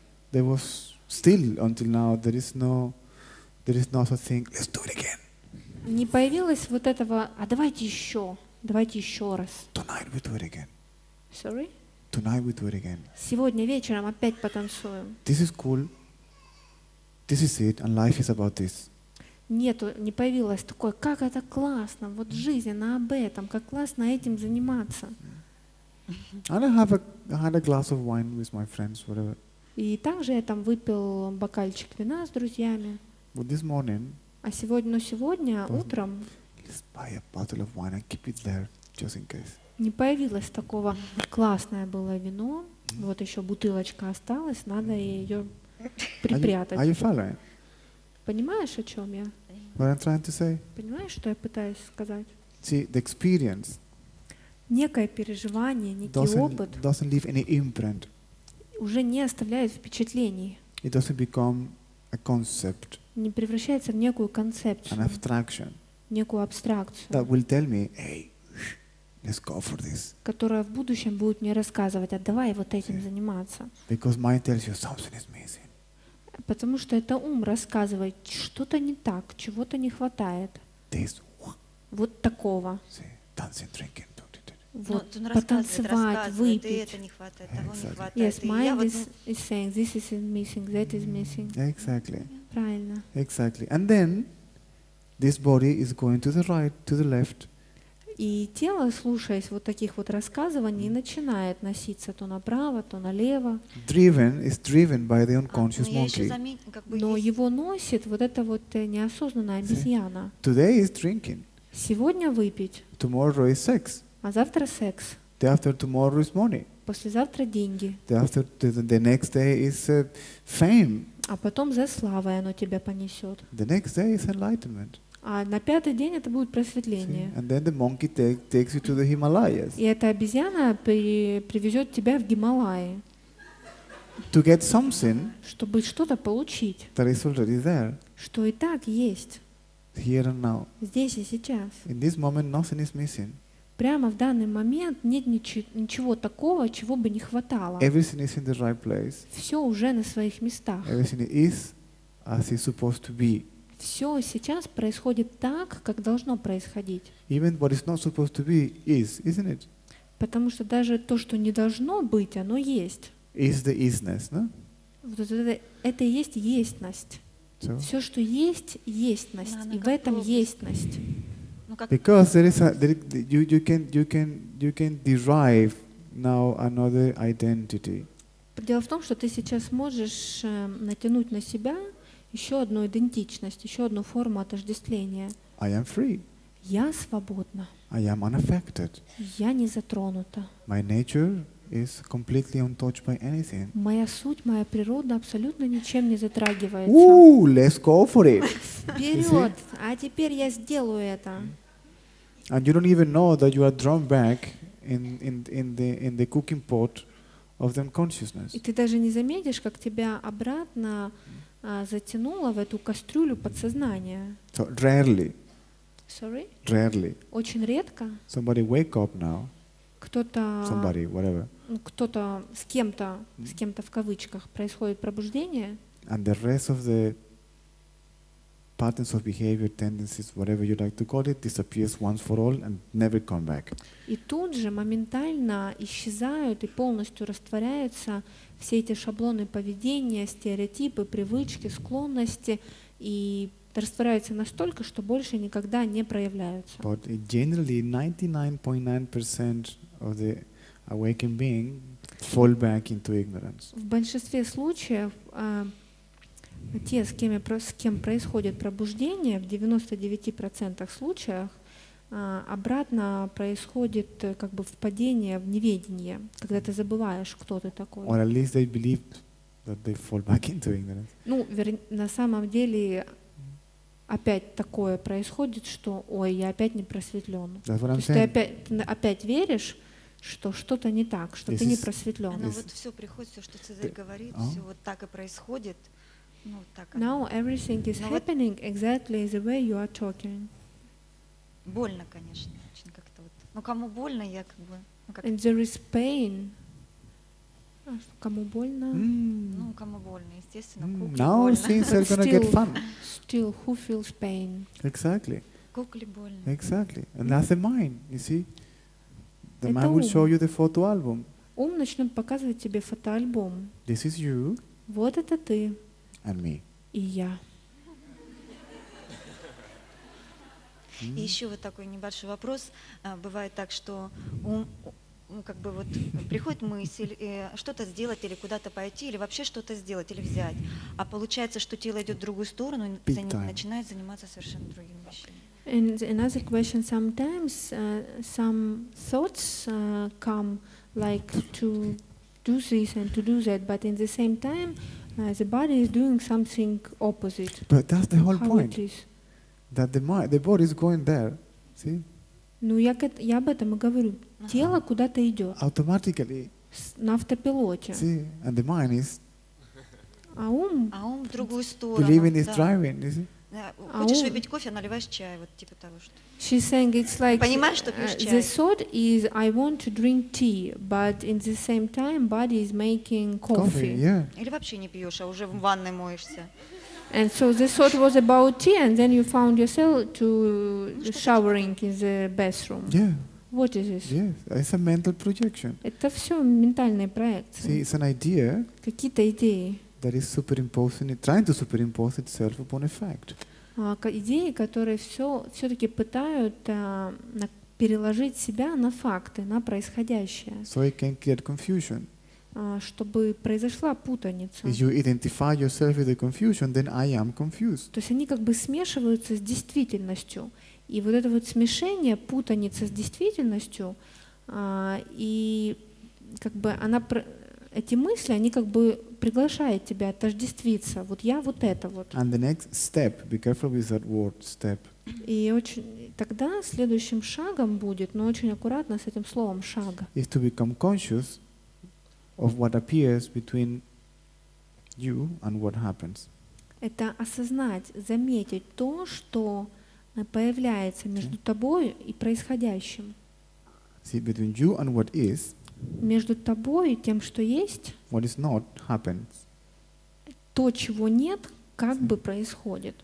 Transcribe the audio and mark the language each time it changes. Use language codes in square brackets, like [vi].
[en] There was still until now. There is no such thing. Let's do it again. [ru] Не появилось вот этого. А давайте еще раз. [en] Tonight we do it again. Sorry. Tonight we do it again. [ru] Сегодня вечером опять потанцуем. [en] This is cool. This is it, and life is about this. [ru] Нет, не появилось такое, как это классно, вот жизнь, она об этом, как классно этим заниматься. [en] And I have had a glass of wine with my friends, whatever. [ru] И также я там выпил бокальчик вина с друзьями. [en] But this morning. [ru] А сегодня, но сегодня утром. [en] Let's buy a bottle of wine and keep it there, just in case. [ru] Не появилось такого, классное было вино, вот еще бутылочка осталась, надо ее. [en] Are you following? [ru] Понимаешь, о чем я? [en] What I'm trying to say? [ru] Понимаешь, что я пытаюсь сказать? [en] See, the experience. [ru] Некое переживание, некий опыт. [en] Doesn't leave any imprint. [ru] Уже не оставляет впечатлений. [en] It doesn't become a concept. [ru] Не превращается в некую концепцию. [en] An abstraction. [ru] Некую абстракцию. [en] That will tell me, hey, let's go for this. [ru] Которая в будущем будет мне рассказывать, а давай вот этим [en] See? [ru] Заниматься. [en] Because mind tells you something is missing. [ru] Потому что это ум рассказывает, что-то не так, чего-то не хватает. [en] This. [ru] Вот такого. [en] See, dancing, drinking. [ru] Вот, [en] no, [ru] потанцевать, выпить. Это не хватает, того [en] exactly. [ru] не хватает. [en] Yes, mind is saying, this is missing, that is missing. Exactly. Yeah. [ru] Правильно. [en] Exactly. And then, this body is going to the right, to the left. [ru] И тело, слушаясь вот таких вот рассказываний, начинает носиться то направо, то налево. [en] Driven is driven by the unconscious monkey. [ru] Но его носит вот эта вот неосознанная обезьяна. [en] Today is drinking. [ru] Сегодня выпить. [en] Tomorrow is sex. [ru] А завтра секс. [en] The after tomorrow is money. [ru] Послезавтра деньги. [en] The after the next day is fame. [ru] А потом за славой оно тебя понесет. [en] The next day is enlightenment. [ru] А на пятый день это будет просветление. [en] And then the monkey takes you to the Himalayas. [ru] И эта обезьяна привезет тебя в Гималаи. [en] To get something. [ru] Чтобы что-то получить. [en] That is already there. [ru] Что и так есть. [en] Here and now. [ru] Здесь и сейчас. [en] In this moment nothing is missing. [ru] Прямо в данный момент нет ничего такого, чего бы не хватало. [en] Everything is in the right place. [ru] Все уже на своих местах. [en] Everything is as it's supposed to be. [ru] Все сейчас происходит так, как должно происходить. [en] Even what is not supposed to be is, isn't it? [ru] Потому что даже то, что не должно быть, оно есть. [en] Is the isness, no? [ru] Вот это и есть естьность. [en] So? [ru] Все, что есть, естьность. Да, и в этом пробовать. Естьность. [en] Because there is you can derive now another identity. [ru] Дело в том, что ты сейчас можешь натянуть на себя еще одну идентичность, еще одну форму отождествления. [en] I am free. [ru] Я свободна. [en] I am unaffected. [ru] Я не затронута. [en] My nature is completely untouched by anything. [ru] Моя суть, моя природа абсолютно ничем не затрагивается. [en] Ooh, let's go for it. [ru] Вперед! А теперь я сделаю это. [en] And you don't even know that you are drawn back in the cooking pot of the unconsciousness. [ru] И ты даже не заметишь, как тебя обратно затянула в эту кастрюлю подсознания. [en] So, rarely. Sorry? Rarely. [ru] Очень редко. [en] Somebody wake up now. [ru] Кто-то. [en] Somebody, whatever. [ru] Кто-то с кем-то в кавычках происходит пробуждение. [en] And the rest of the patterns of behavior, tendencies, whatever you like to call it, disappears once for all and never come back. [ru] И тут же моментально исчезают и полностью растворяются все эти шаблоны поведения, стереотипы, привычки, склонности и растворяются настолько, что больше никогда не проявляются. [en] But generally 99.9% of the awakened being fall back into ignorance. [ru] В большинстве случаев те, с кем происходит пробуждение, в 99% случаях обратно происходит как бы впадение в неведение, когда ты забываешь, кто ты такой. [en] Or at least they believe that they fall back into ignorance. [ru] Ну, на самом деле опять такое происходит, что, ой, я опять не просветлен. [en] That's what I'm saying. [ru] То есть ты опять веришь, что что-то не так, что ты не просветлен. Но вот все приходит, все, что Цезарь говорит, все вот так и происходит. Ну, так. [en] Now everything is happening exactly the way you are talking. [ru] Больно, конечно, очень как-то вот. Но кому больно, я как бы. [en] And there is pain. [ru] Кому больно? Ну, кому больно, естественно, куклу больно. [en] Now things are gonna get fun. Still, who feels pain? Exactly. [ru] Кукле больно. [en] Exactly, and that's the mind. You see, the mind will show you the photo album. [ru] Ум начнет показывать тебе фотоальбом. [en] This is you. [ru] Вот это ты. [en] And me. [ru] И я. И еще вот такой небольшой вопрос. Бывает так, что как бы вот приходит мысль что-то сделать или куда-то пойти или вообще что-то сделать или взять, а получается, что тело идет в другую сторону и начинает заниматься совершенно другими вещами. [en] And another question: sometimes some thoughts come like to do this and to do that, but in the same time the body is doing something opposite. But that's the whole point. That the body is going there, see? [ru] Ну, я об этом и говорю. Тело куда-то идет. [en] Automatically. [ru] На автопилоте. [en] See, and the mind is. [ru] А ум в другую сторону. [en] Believing is [ru] да. [en] driving, you see? [ru] А хочешь выпить кофе, наливаешь чай, вот типа того, что. [en] She's saying it's like. [ru] Понимаешь, что пьешь чай? [en] The thought is I want to drink tea, but in the same time body is making coffee. Coffee, yeah. [ru] Или вообще не пьешь, а уже в ванной моешься. [en] And so the thought was about tea, and then you found yourself to showering in the bathroom. Yeah. What is this? Yes, it's a mental projection. [ru] Это все ментальные проекции. [en] See, it's an idea. [ru] Какие-то идеи. [en] That is superimposing, trying to superimpose itself upon a fact. [ru] Идеи, которые все-таки пытают переложить себя на факты, на происходящее. [en] So it can create confusion. [ru] Чтобы произошла путаница. [en] You identify yourself with the confusion, then I am confused. [ru] То есть они как бы смешиваются с действительностью. И вот это вот смешение, путаница с действительностью, и как бы эти мысли, они как бы приглашают тебя отождествиться. Вот я вот это вот. [en] And the next step, be careful with that word, step. [ru] И очень, тогда следующим шагом будет, но очень аккуратно с этим словом шаг. [en] Is to become conscious of what appears between you and what happens. [ru] Это осознать, заметить то, что появляется между тобой и происходящим. [en] See, between you and what is. [ru] Между тобой и тем, что есть. [en] What is not happens. [ru] То, чего нет, как бы происходит.